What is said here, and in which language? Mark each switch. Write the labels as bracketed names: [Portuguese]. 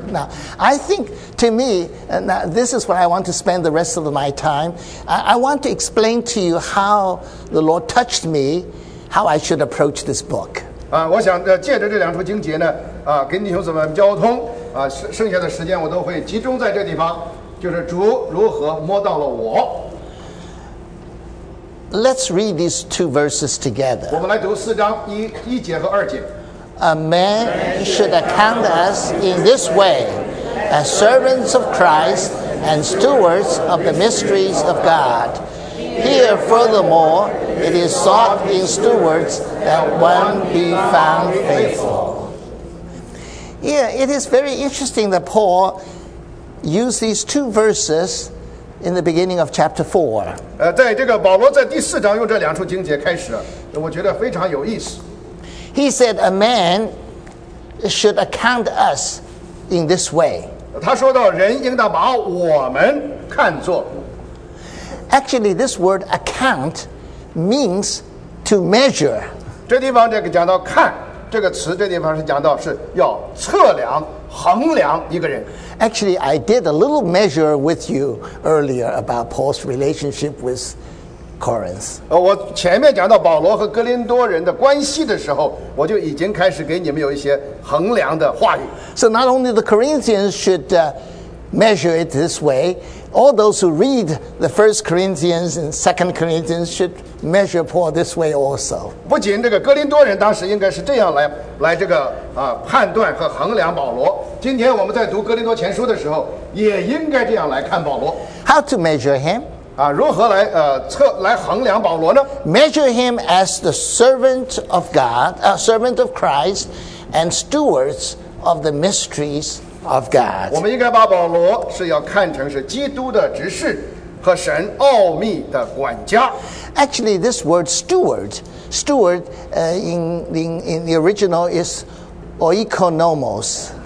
[English] Now, I think to me, now this is what I want to spend the rest of my time. I want to explain to you how the Lord touched me, how I should approach this book. [Chinese] 我想借着这两处经节呢，给弟兄姊妹们交通。剩下的时间我都会集中在这地方，就是主如何摸到了我。 [English] Let's read these two verses together. [Chinese] 我们来读四章一节和二节。 [English] A man should account us in this way, as servants of Christ and stewards of the mysteries of God. Here, furthermore, it is sought in stewards that one be found faithful. Yeah, it is very interesting that Paul used these two verses in the beginning of chapter 4. [Chinese] 在这个保罗在第四章用这两处经节开始，我觉得非常有意思。 [English] He said, "A man should account us in this way." [Chinese] 他说到人应当把我们看作。 [English] Actually, this word "account" means to measure. [Chinese] 这地方这个讲到看这个词，这地方是讲到是要测量、衡量一个人。 [English] Actually, I did a little measure with you earlier about Paul's relationship with. Corinth. [Chinese] 我前面讲到保罗和哥林多人的关系的时候，我就已经开始给你们有一些衡量的话语。 [English] So not only the Corinthians should measure it this way, all those who read the First Corinthians and Second Corinthians should measure Paul this way also. [Chinese] 不仅这个哥林多人当时应该是这样来这个判断和衡量保罗，今天我们在读哥林多前书的时候，也应该这样来看保罗。 [English] How to measure him? [Chinese] 如何来来衡量保罗呢 [English] ？Measure him as the servant of God, a servant of Christ, and stewards of the mysteries of God. [Chinese] 我们应该把保罗是要看成是基督的执事和神奥秘的管家。 [English] Actually, this word steward, in the original is oikonomos.